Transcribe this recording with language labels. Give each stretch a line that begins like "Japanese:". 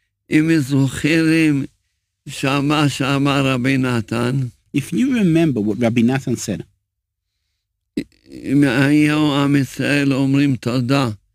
Hebrew: אם זוכרים שמה שאמר רבי נתן.
English: If you remember what Rabbi Nathan said.
Hebrew: מהיו עם ישראל אומרים תודה.